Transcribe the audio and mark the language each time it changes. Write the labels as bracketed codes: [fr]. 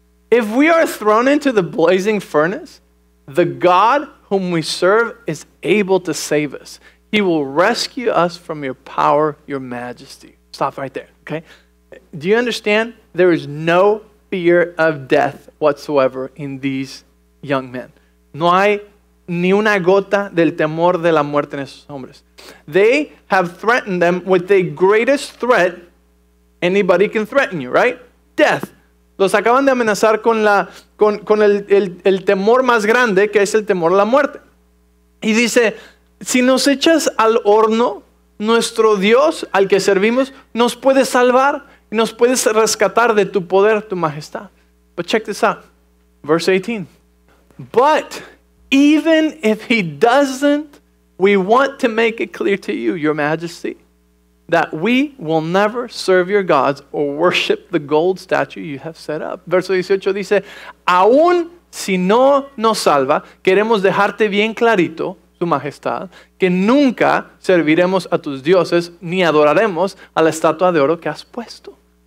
[en] If we are thrown into the blazing furnace, the God whom we serve is able to save us. He will rescue us from your power, your majesty. Stop right there, okay? Do you understand? There is no fear of death whatsoever in these young men. [es] No hay ni una gota del temor de la muerte en esos hombres. [en] They have threatened them with the greatest threat anybody can threaten you, right? Death. [es] Los acaban de amenazar con el temor más grande, que es el temor a la muerte. Y dice, si nos echas al horno, nuestro Dios al que servimos nos puede salvar y nos puedes rescatar de tu poder, tu majestad. [en] But check this out. Verse 18. But even if he doesn't, we want to make it clear to you, your majesty, that we will never serve your gods or worship the gold statue you have set up. [es] Verso 18 dice, aún si no nos salva, queremos dejarte bien clarito, tu majestad, que nunca serviremos a tus dioses ni adoraremos a la estatua de oro que has puesto.